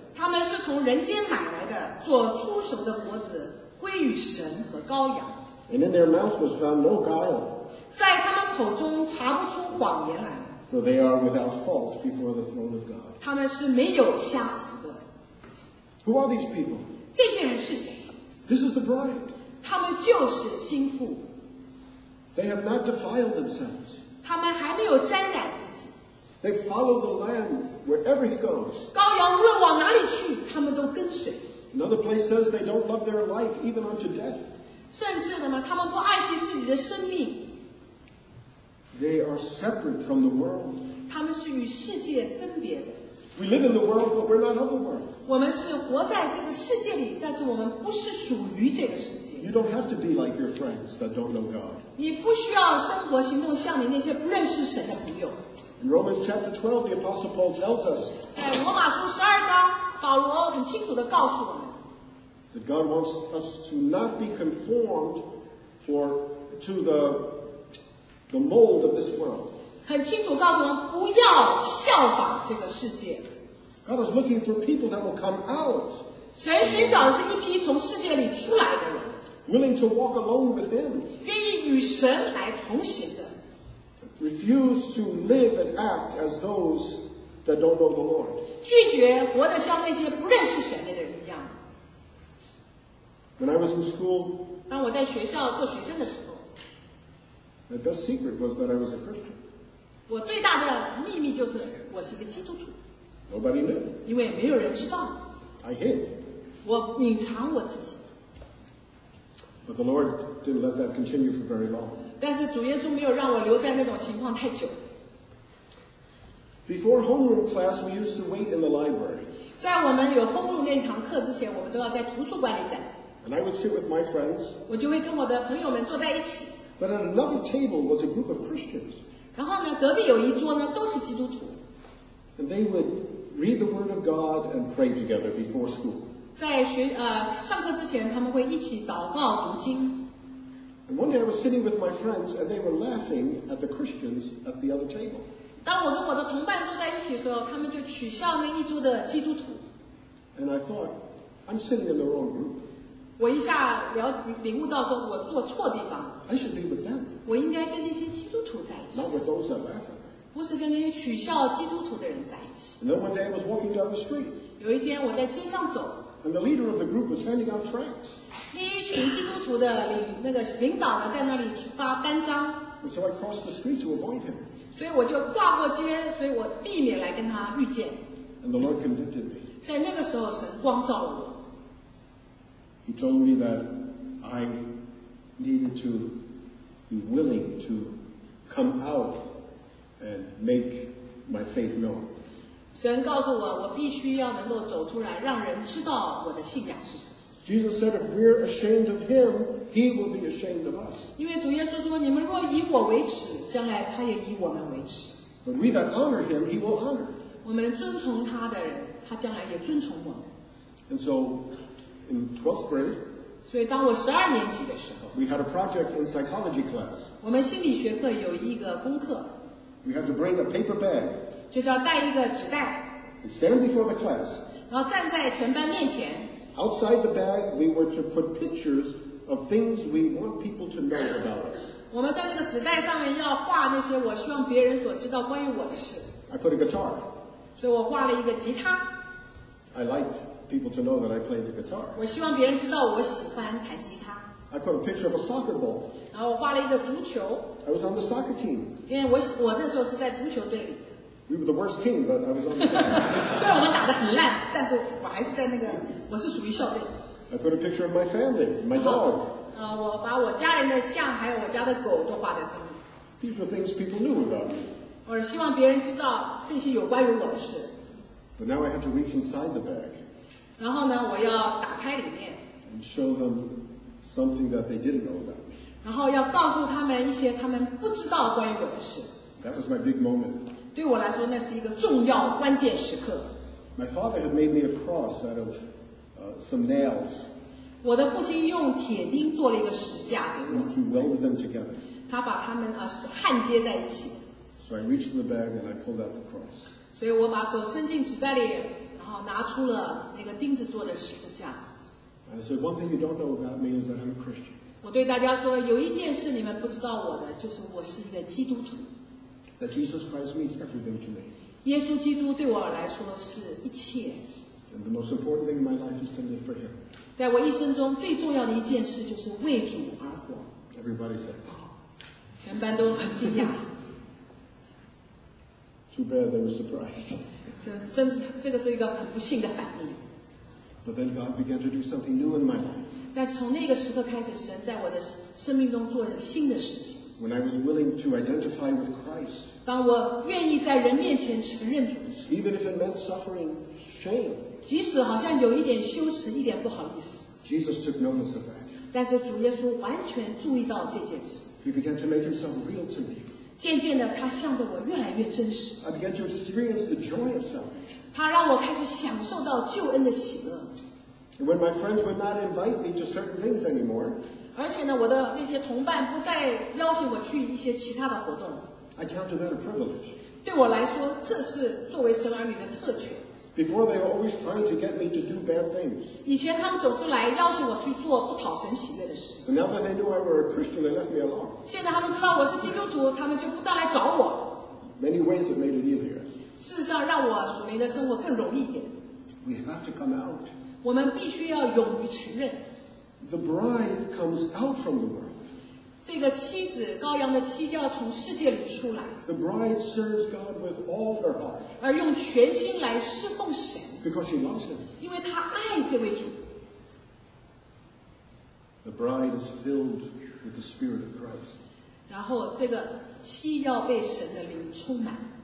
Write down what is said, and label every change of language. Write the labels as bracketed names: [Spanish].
[Chinese] 他们是从人间买来的，做出熟的果子，归于神和羔羊。 [English] And in their mouth was found no guile. [Chinese] 在他们口中查不出谎言来。 [English] For they are without fault before the throne of God. [Chinese] 他们是没有瑕疵的。 [English] Who are these people? [Chinese] 这些人是谁？ [English] This is the bride. [Chinese] 他们就是新妇。 [English] They have not defiled themselves. [Chinese] 他们还没有沾染自己。 [English] They follow the Lamb wherever he goes. [Chinese] 羔羊无论往哪里去，他们都跟随。 [English] Another place says they don't love their life even unto death. [Chinese] 甚至呢，他们不爱惜自己的生命。 [English] They are separate from the world. [Chinese] 他们是与世界分别的。 [English] We live in the world, but we're not of the world. [Chinese] 我们是活在这个世界里，但是我们不是属于这个世界。 [English] You don't have to be like your friends that don't know God. [Chinese] 你不需要生活行动像你那些不认识神的朋友。 [English] In Romans chapter 12, the Apostle Paul tells us. [Chinese] 在罗马书十二章，保罗很清楚地告诉我们。 [English] That God wants us to not be conformed for, to the mold of this world. [Chinese] 很清楚告诉我们不要效仿这个世界。 [English] God is looking for people that will come out. [Chinese] 神寻找的是一批从世界里出来的人。 [English] Willing to walk alone with Him. [Chinese] 愿意与神来同行的。 [English] Refuse to live and act as those that don't know the Lord. [Chinese] 拒绝活得像那些不认识神的人一样。 [English] When I was in school, [Chinese] 当我在学校做学生的时候 [English] my best secret was that I was a Christian. [Chinese] 我最大的秘密就是我是一个基督徒。 [English] Nobody knew. [Chinese] 因为没有人知道。 [English] I hid. [Chinese] 我隐藏我自己。 [English] But the Lord didn't let that continue for very long. [Chinese] 但是主耶稣没有让我留在那种情况太久。 [English] Before homeroom class, we used to wait in the library. [Chinese] 在我们有homeroom那堂课之前，我们都要在图书馆里等。 [English] And I would sit with my friends. [Chinese] 我就会跟我的朋友们坐在一起。 [English] But at another table was a group of Christians. [Chinese] 然后呢，隔壁有一桌呢，都是基督徒。 [English] And they would read the Word of God and pray together before school. [Chinese] 在学上课之前，他们会一起祷告读经。 [English] And one day I was sitting with my friends, and they were laughing at the Christians at the other table. [Chinese] 当我跟我的同伴坐在一起的时候，他们就取笑那一桌的基督徒。 [English] And I thought, I'm sitting in the wrong group. [Chinese] 我一下了领悟到说我坐错地方 [English] I should be with them. [Chinese] 我应该跟这些基督徒在一起 [English] Not with those that laugh at me. [Chinese] 不是跟那些取笑基督徒的人在一起 [English] And then one day I was walking down the street. [Chinese] 有一天我在街上走 [English] And the leader of the group was handing out tracts. [Chinese] 那一群基督徒的那个领导呢在那里发单张 [English] And so I crossed the street to avoid him. [Chinese] 所以我就跨过街所以我避免来跟他遇见 [English] And the Lord convicted me. [Chinese] 在那个时候神光照我 [English] He told me that I needed to be willing to come out and make my faith known. [Chinese] 神告诉我，我必须要能够走出来，让人知道我的信仰是什么。 [English] Jesus said, "If we're ashamed of Him, He will be ashamed of us." [Chinese] 因为主耶稣说，你们若以我为耻，将来他也以我们为耻。 [English] But we that honor Him, He will honor. [Chinese] 我们遵从他的人，他将来也遵从我们。 [English] And so. In 12th grade, [Chinese] 所以当我十二年级的时候 [English] we had a project in psychology class. [Chinese] 我们心理学课有一个功课 [English] we had to bring a paper bag. [Chinese] 就是要带一个纸袋 [English] and stand before the class. [Chinese] 然后站在全班面前 [English] outside the bag, we were to put pictures of things we want people to know about us. [Chinese] 我们在那个纸袋上面要画那些我希望别人所知道关于我的事 [English] I put a guitar. [Chinese] 所以我画了一个吉他 [English] I liked. People to know that I play the guitar. [Chinese] 我希望别人知道我喜欢弹吉他。 [English] I put a picture of a soccer ball. [Chinese] 然后我画了一个足球。 [English] I was on the soccer team. [Chinese] 因为我那时候是在足球队里。 [English] We were the worst team, but I was on the team. [Chinese] 虽然我们打得很烂，但是我还是在那个，我是属于校队。 [English] I put a picture of my family, my dog. [Chinese] 我把我家人的像还有我家的狗都画在上面。 [English] These were things people knew about me. [Chinese] 我希望别人知道这些有关于我的事。 [English] But now I had to reach inside the bag. [Chinese] 然后呢，我要打开里面。 [English] And show them something that they didn't know about. [Chinese] 然后要告诉他们一些他们不知道关于我的事。 [English] That was my big moment. [Chinese] 对我来说，那是一个重要关键时刻。 [English] My father had made me a cross out of some nails. [Chinese] 我的父亲用铁钉做了一个十字架。 [English] He welded them together. [Chinese] 他把他们焊接在一起。 [English] So I reached in the bag and I pulled out the cross. [Chinese] 所以我把手伸进纸袋里。拿出了那个钉子做的十字架。 [English] I said, one thing you don't know about me is that I'm a Christian. [Chinese] 我对大家说，有一件事你们不知道我的，就是我是一个基督徒。 [English] That Jesus Christ means everything to me. [Chinese] 耶稣基督对我来说是一切。 [English] And the most important thing in my life is to live for Him. [Chinese] 在我一生中最重要的一件事就是为主而活。 [English] Everybody said, [Chinese] 全班都很惊讶。 [English] Too bad they were surprised. [Chinese] 这个是一个很不幸的反应。 [English] But then God began to do something new in my life. [Chinese] 但是从那个时刻开始，神在我的生命中做了新的事情。 [English] When I was willing to identify with Christ. [Chinese] 当我愿意在人面前承认主。 [English] Even if it meant suffering shame. [Chinese] 即使好像有一点羞耻，一点不好意思。 [English] Jesus took notice of that. [Chinese] 但是主耶稣完全注意到这件事。 [English] He began to make himself real to me. [Chinese] 渐渐的，他向着我越来越真实。 [English] I began to experience the joy of salvation. [Chinese] 他让我开始享受到救恩的喜乐。 [English] And when my friends would not invite me to certain things anymore, [Chinese] 而且呢，我的那些同伴不再邀请我去一些其他的活动。 [English] I counted that a privilege. [Chinese] 对我来说，这是作为神儿女的特权。 [English] Before they were always trying to get me to do bad things. [Chinese] 以前他们总是来邀请我去做不讨神喜悦的事。 [English] But now that they knew I were a Christian, they left me alone. [Chinese] 现在他们知道我是基督徒，他们就不再来找我。 [English] Many ways have made it easier. [Chinese] 事实上，让我属灵的生活更容易一点。 [English] We have to come out. [Chinese] 我们必须要勇于承认。 [English] The bride comes out from the world. [Chinese] 这个妻子，羔羊的妻，要从世界里出来。 [English] The bride serves God with all her heart. [Chinese] 而用全心来侍奉神。 [English] Because she loves him. [Chinese] 因为她爱这位主。 [English] The bride is filled with the Spirit of Christ. [Chinese] 然后这个妻要被神的灵充满。